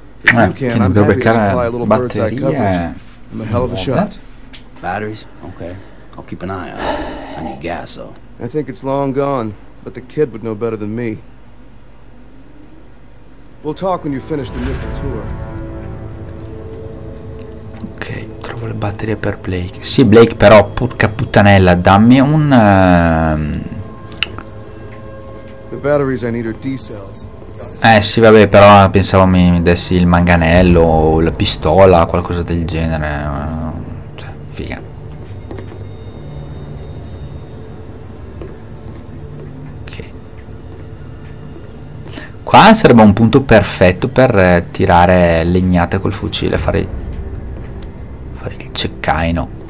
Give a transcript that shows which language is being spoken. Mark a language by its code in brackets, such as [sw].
[en] If you can, I'm happy to supply a little bird's eye coverage. I'm a hell of a shot. Batteries? Okay. I'll keep an eye on it. I need gas, though. I think it's long gone, but the kid would know better than me. We'll talk when you finish the nickel tour. [it] Ok, trovo le batterie per Blake. Sì, Blake, però, porca puttanella, dammi un... [en] The batteries I need are D-cells. [it] Sì, vabbè, però pensavo mi dessi il manganello o la pistola, qualcosa del genere. Cioè, figa. Ok. Qua sarebbe un punto perfetto per tirare legnate col fucile, fare il ceccaino.